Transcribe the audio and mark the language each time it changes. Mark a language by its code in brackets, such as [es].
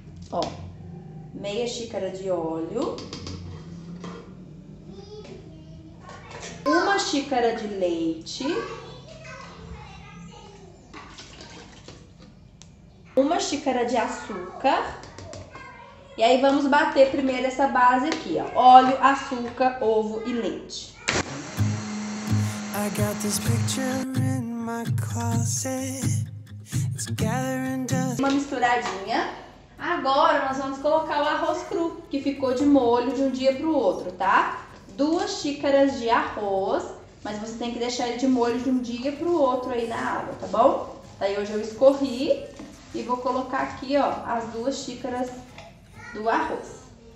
[pt] Ó, 1/2 xícara de óleo, 1 xícara de leite, 1 xícara de açúcar, e aí vamos bater primeiro essa base aqui, ó, óleo, açúcar, ovo e leite. [en] I got this picture in my closet. It's gathering dust. [pt] Uma misturadinha. Agora, nós vamos colocar o arroz cru, que ficou de molho de um dia pro outro, tá? 2 xícaras de arroz, mas você tem que deixar ele de molho de um dia pro outro aí na água, tá bom? Daí hoje eu escorri e vou colocar aqui, ó, as 2 xícaras do arroz.